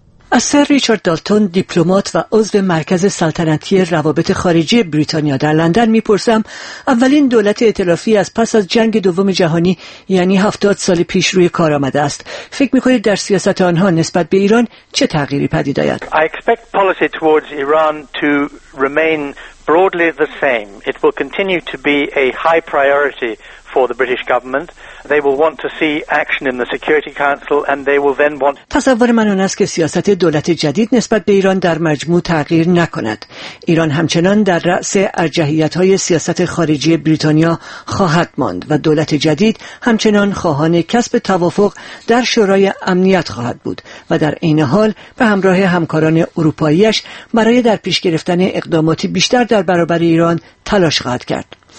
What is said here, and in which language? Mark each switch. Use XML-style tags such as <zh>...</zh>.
<fa>از سر ریچارد دالتون، دیپلمات و عضو مرکز سلطنتی روابط خارجی بریتانیا در لندن می پرسم، اولین دولت ائتلافی از پس از جنگ دوم جهانی یعنی 70 سال پیش روی کار آمده است. فکر می کنید در سیاست آنها نسبت به ایران چه تغییری پدید آید؟</fa> <en>I expect policy towards Iran to remain broadly the same. It will continue to be a high priority for the British government. They will want to see action in the Security Council and they will then want.</en> <fa>تصور من این است که سیاست دولت جدید نسبت به ایران در مجموع تغییر نکند. ایران همچنان در رأس ارجحیت‌های سیاست خارجی بریتانیا خواهد ماند و دولت جدید همچنان خواهان کسب توافق در شورای امنیت خواهد بود و در عین حال به همراه همکاران اروپاییش برای در پیش گرفتن اقداماتی بیشتر در برابر ایران تلاش خواهد کرد.</fa>